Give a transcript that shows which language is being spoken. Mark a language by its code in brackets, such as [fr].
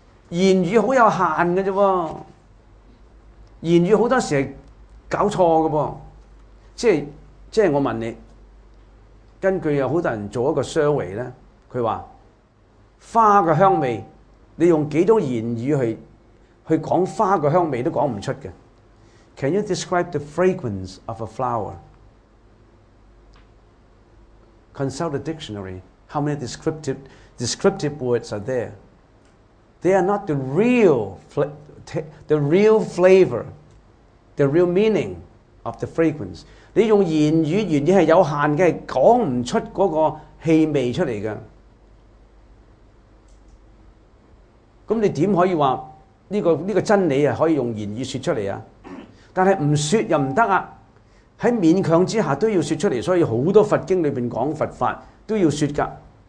[zh] 言语很有限的，言语很多时候是搞错的。即是我问你，根据有很多人做一个 survey 呢，他说花的香味你用几多言语去讲花的香味都讲不出的。 [en] Can you describe the fragrance of a flower? Consult a dictionary. How many descriptive words are there? They are not the real flavor, the real meaning of the fragrance. [zh] 你用言语，言语是有限的，讲不出那个气味出来的。那你怎可以说这个真理可以用言语说出来啊？但是不说又不行啊，在勉强之下都要说出来，所以很多佛经里面讲佛法都要说的。